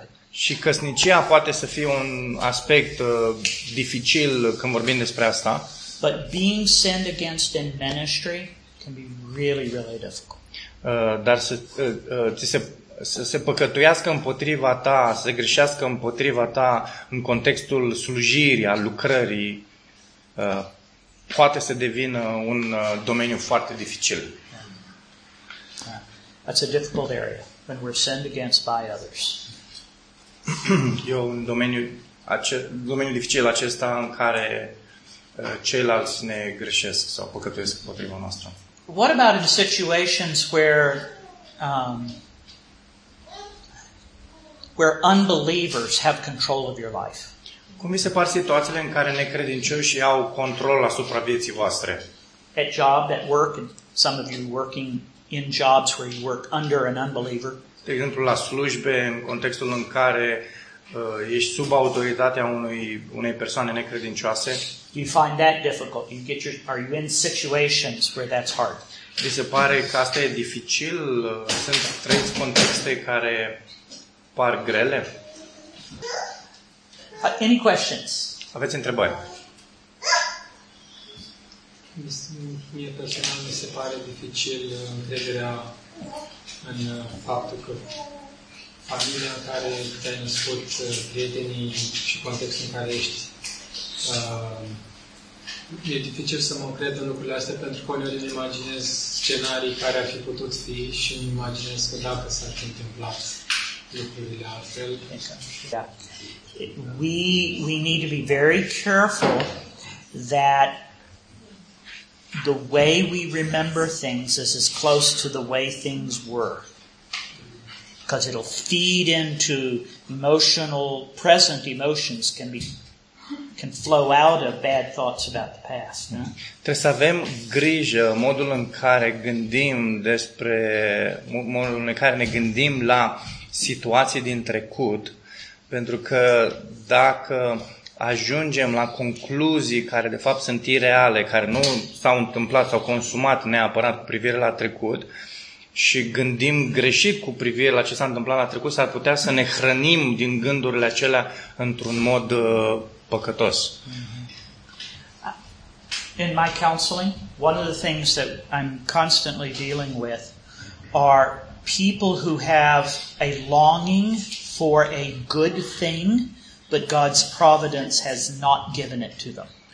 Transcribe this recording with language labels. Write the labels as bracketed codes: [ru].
[ro] Și căsnicia poate să fie un aspect dificil când vorbim despre asta. [en] But being sinned against in ministry can be really, really difficult. [ro] Dar să ți se să se păcătuiască împotriva ta, să greșească împotriva ta în contextul slujirii, al lucrării, poate să devină un domeniu foarte dificil. [en] That's a difficult area when we're sinned against by others. [ro] E un domeniu, domeniu dificil acesta în care ceilalți ne greșesc sau păcătuiesc împotriva noastră. [en] What about in situations where where unbelievers have control of your life? [ro] Cum vi se par situațiile în care necredincioșii au control asupra vieții voastre? [en] At job, at work, and some of you working in jobs where you work under an unbeliever. [ro] De exemplu, la slujbe, în contextul în care ești sub autoritatea unei persoane necredincioase. [en] You find that difficult. You get are you in situations where that's hard? [ro] Vi se pare că asta e dificil? Sunt trăiți contexte care par grele? [en] Any questions? [ro] Aveți întrebări? Mie personal mi se pare dificil încrederea în faptul că familia în care te-ai născut, prietenii și contextul în care ești, e dificil să mă cred în lucrurile astea pentru că uneori îmi imaginez scenarii care ar fi putut fi și îmi imaginez că dacă s-ar fi întâmplat lucrurile altfel. Da. [en] We need to be very careful that the way we remember things is as close to the way things were, because it'll feed into emotional, present emotions can flow out of bad thoughts about the past. Mm-hmm. [ro] Trebuie să avem grijă modul în care gândim despre modul în care ne gândim la situații din trecut, pentru că dacă ajungem la concluzii care de fapt sunt ireale, care nu s-au întâmplat sau consumat neapărat cu privire la trecut și gândim greșit cu privire la ce s-a întâmplat la trecut, s-ar putea să ne hrănim din gândurile acelea într-un mod păcătos. [en] In my counseling, one of the things that I'm constantly dealing with are people who have a longing for a good thing, but God's providence has not given it to them.